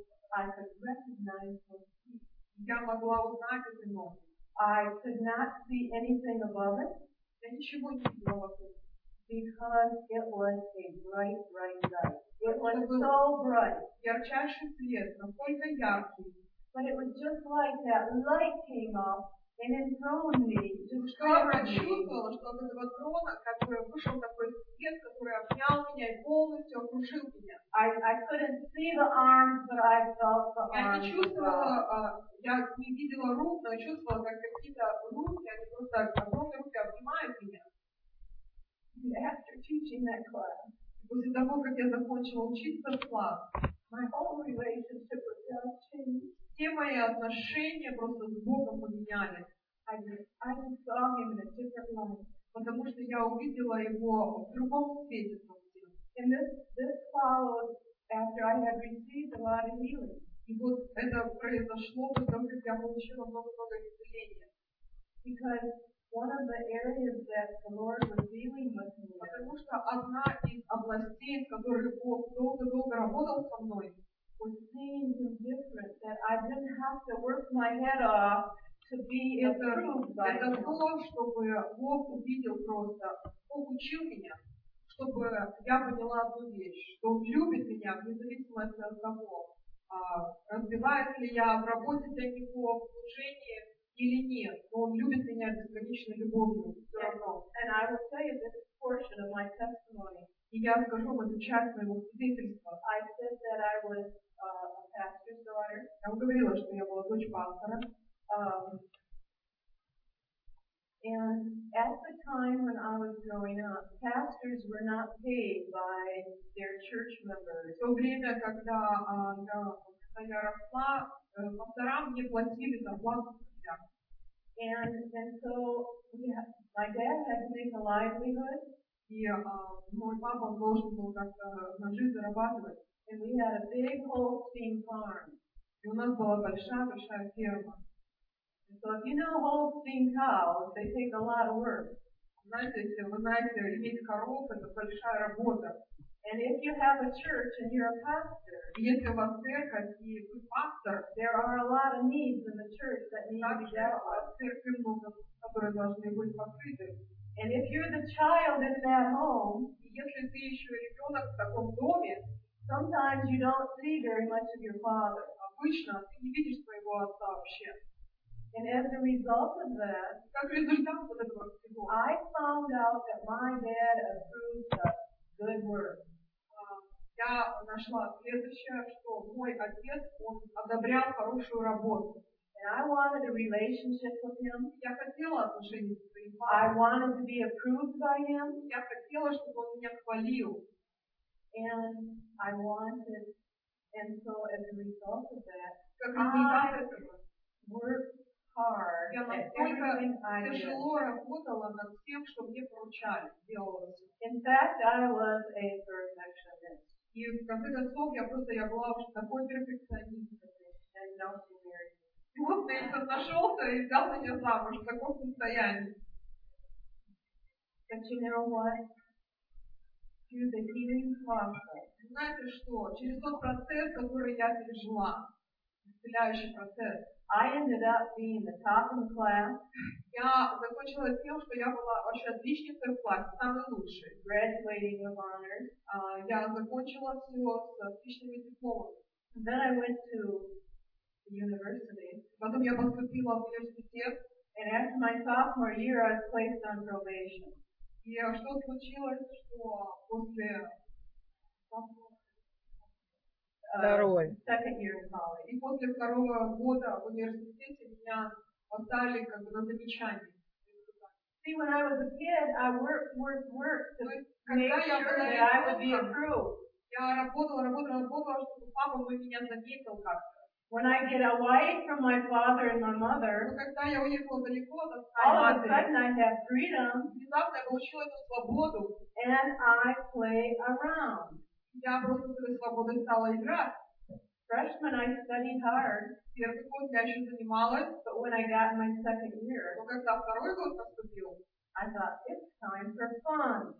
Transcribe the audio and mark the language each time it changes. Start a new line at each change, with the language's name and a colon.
English: I could recognize those feet.
Russian: Я могла узнать эти ноги.
English: I could not see anything above it.
Russian: Я ничего не видела вокруг.
English: Because it was a bright, bright light. It was so bright.
Russian: Ярчайший свет, насколько яркий.
English: But it was just like that light came up and enthroned me.
Russian: Что я прочувствовала, что от этого трона, который вышел такой свет, который который обнял меня и полностью окружил меня.
English: I couldn't see the arms, but I felt the arms.
Russian: Я не чувствовала, я не видела рук, но чувствовала, как какие-то руки, они просто огромными обнимают меня.
English: After teaching that class,
Russian: после того, как я закончила учиться в класс,
English: my whole relationship with God changed.
Russian: Все мои отношения просто с Богом поменялись.
English: I saw him in a different light.
Russian: Потому что я увидела его в другом свете совсем.
English: And this followed after I had received a lot of healing.
Russian: И вот это произошло, потому что я получила много-много исцеления.
English: Because one of the areas that the Lord was dealing with me.
Russian: Потому что одна из областей, в которой Бог долго-долго работал со мной,
English: was seeing him different, that I didn't have to work my head off to be approved by him.
Russian: Это то, чтобы Бог увидел просто, Бог учил меня, чтобы я поняла одну вещь, что Он любит меня, вне зависимости от того, развиваюсь ли я в работе для Него, в служении или нет, но Он любит меня бесконечной любовью все равно.
English: And I will tell you this portion of my testimony.
Russian: И я скажу вам эту часть моего свидетельства.
English: I said that I was a pastor's daughter.
Russian: Я говорила, что я была дочь пастора.
English: And at the time when I was growing up, pastors were not paid by their church members.
Russian: В то время, когда я росла, пасторам не платили зарплату.
English: And so yeah, my dad had to make a livelihood.
Russian: Мой папа должен был как-то на жизнь зарабатывать.
English: And we had a big Holstein farm.
Russian: И у нас была большая-большая ферма.
English: So if you know Holstein cows, they take a lot of work.
Russian: Знаете, если вы знаете, иметь коров, это большая работа.
English: And if you have a church and you're a pastor,
Russian: и если у вас церковь, и вы пастор,
English: there are a lot of needs in the church that need to be dealt with.
Russian: Также церкви много, которые должны быть покрыты.
English: And if you're the child in that home,
Russian: если ты еще ребенок в таком доме,
English: sometimes you don't see very much of your father.
Russian: Обычно ты не видишь своего отца вообще.
English: And as a result of that,
Russian: как результат вот этого всего,
English: I found out that my dad approved of good work.
Russian: Я нашла следующее, что мой отец, он одобрял хорошую работу.
English: And I wanted a relationship with him.
Russian: Я хотела отношения с своим папой.
English: I wanted to be approved by him.
Russian: Я хотела, чтобы он меня хвалил.
English: And I wanted, and so as a result of that, In fact, I was a perfectionist.
Russian: И в конце концов я просто я была уже такой перфекционисткой.
English: And now she married.
Russian: И вот ты это нашёлся и взял за неё замуж в таком состоянии.
English: But you know what? Through the healing process.
Russian: Знаете что? Через тот процесс, который я пережила, исцеляющий процесс.
English: I ended up being the top in the class.
Russian: Я закончила тем, что я была вообще отличницей в классе, самой лучшей.
English: Graduating with honors.
Russian: Я закончила всё с отличными дипломами.
English: And then I went to university.
Russian: Потом я поступила в университет.
English: And after my sophomore year, I was placed on probation.
Russian: И что случилось, что после
English: second year in college.
Russian: И после второго года в университете меня поставили как бы на замечание.
English: See, when I was a kid, I worked to make sure that I would be approved.
Russian: Я работала, чтобы папа бы меня заметил как-то.
English: When I get away from my father and my mother, all of a sudden I have freedom.
Russian: Внезапно я получила эту свободу.
English: And I play around.
Russian: Я просто с этой свободой стала играть.
English: Freshman, I studied hard.
Russian: Первый год я еще занималась.
English: But when I got my second year,
Russian: но когда второй год поступил,
English: I thought, it's time for fun.